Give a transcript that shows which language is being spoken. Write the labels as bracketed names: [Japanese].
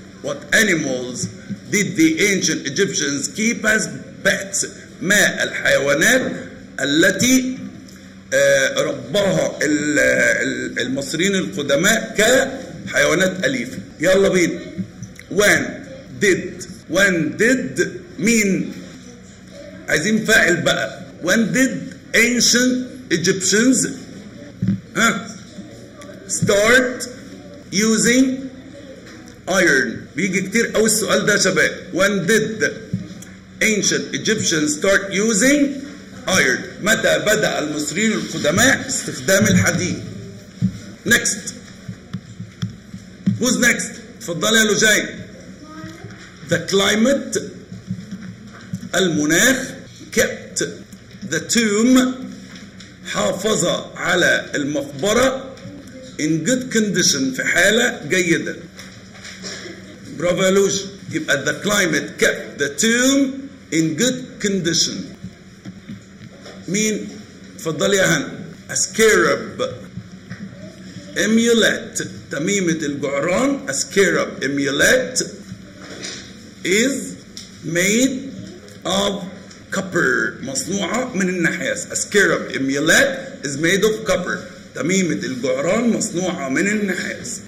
[English] What animals did the ancient Egyptians keep as pets? [Arabic] ما الحيوانات التي ربها المصريين القدماء كحيوانات أليفة؟ يلا بينا. [English] When did [Arabic] مين؟ عايزين فاعل بقى. [English] When did ancient Egyptians start using iron؟ [Arabic] بيجي كتير أو السؤال ده شباب. [English] When did ancient Egyptians start using iron؟ [Arabic] متى بدأ المصريين القدماء استخدام الحديد؟ [English] Next. Who's next؟ [Arabic] تفضل يا لجاي. [English] The climate، [Arabic] المناخ، [English] kept the tomb، [Arabic] حافظ على المقبرة، [English] in good condition، [Arabic] في حالة جيدة. برافو يا لوج. [English] يبقى the climate kept the tomb in good condition. [Arabic] مين؟ تفضل يا هن. [English] A scarab amulet، [Arabic] تميمة الجعران، [English] a scarab amulet is made of copper، [Arabic] مصنوعة من النحاس. [English] A scarab amulet is made of copper، [Arabic] تميمة الجعران مصنوعة من النحاس.